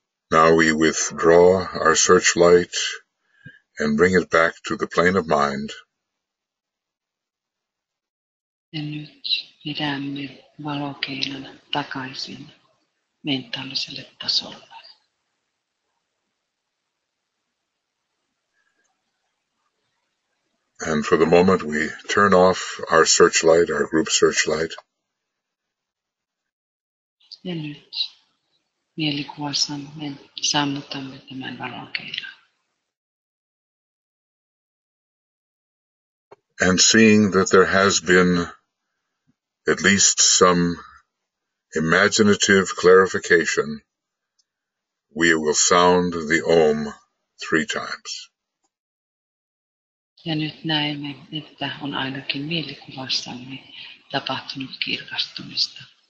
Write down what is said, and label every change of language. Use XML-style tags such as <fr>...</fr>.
<en>Now we withdraw our searchlight and bring it back to the plane of mind.</en> <fi>Ja nyt pidämme valokeilan takaisin mentaaliselle tasolle.</fi> <en>And for the moment we turn off our searchlight, our group searchlight.</en> <fi>Ja nyt mielikuvassamme sammutamme tämän valokeilan.</fi> <en>And seeing that there has been at least some imaginative clarification, we will sound the om 3 times.</en> <fi>Ja nyt näemme, että on ainakin mielikuvassamme tapahtunut kirkastumista.</fi>